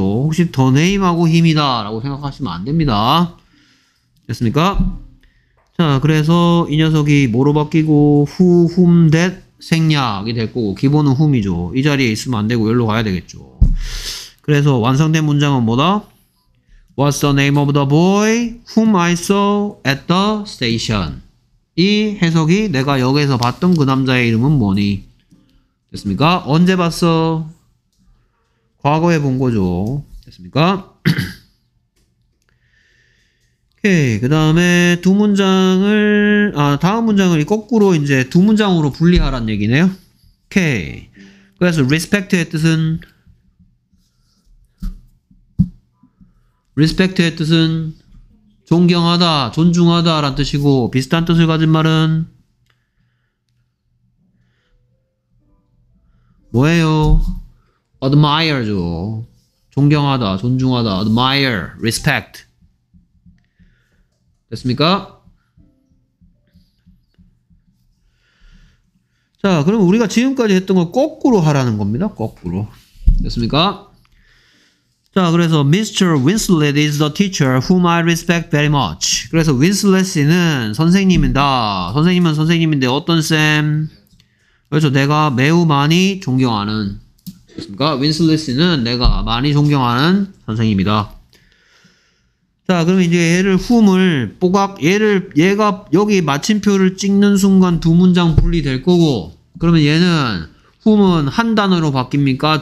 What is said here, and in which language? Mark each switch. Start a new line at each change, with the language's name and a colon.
Korean: 혹시 더 네임하고 힘이다 라고 생각하시면 안됩니다. 됐습니까? 자, 그래서 이 녀석이 뭐로 바뀌고 후, 훔, 댓, 생략이 될거고 기본은 훔이죠. 이 자리에 있으면 안되고 여기로 가야 되겠죠. 그래서 완성된 문장은 뭐다?
English: What's the name of the boy whom I saw at the station?
Korean: 이 해석이 내가 역에서 봤던 그 남자의 이름은 뭐니? 됐습니까? 언제 봤어? 과거에 본 거죠. 됐습니까? 오케이. 그 다음에 두 문장을, 아, 다음 문장을 거꾸로 이제 두 문장으로 분리하란 얘기네요. 오케이. 그래서 respect의 뜻은? respect의 뜻은 존경하다, 존중하다 라는 뜻이고, 비슷한 뜻을 가진 말은 뭐예요? admire죠. 존경하다, 존중하다, admire, respect. 됐습니까? 자, 그럼 우리가 지금까지 했던 걸 거꾸로 하라는 겁니다. 거꾸로. 됐습니까? 자, 그래서 Mr.
English: Winslet is the teacher whom I respect very much.
Korean: 그래서 Winslet 씨는 선생님이다. 선생님은 선생님인데 어떤 쌤? 그렇죠. 내가 매우 많이 존경하는. 됐습니까? Winslet 씨는 내가 많이 존경하는 선생님이다. 자, 그럼 이제 얘를 whom을 뽀각, 얘를, 얘가 여기 마침표를 찍는 순간 두 문장 분리될 거고, 그러면 얘는 whom은 한 단어로 바뀝니까?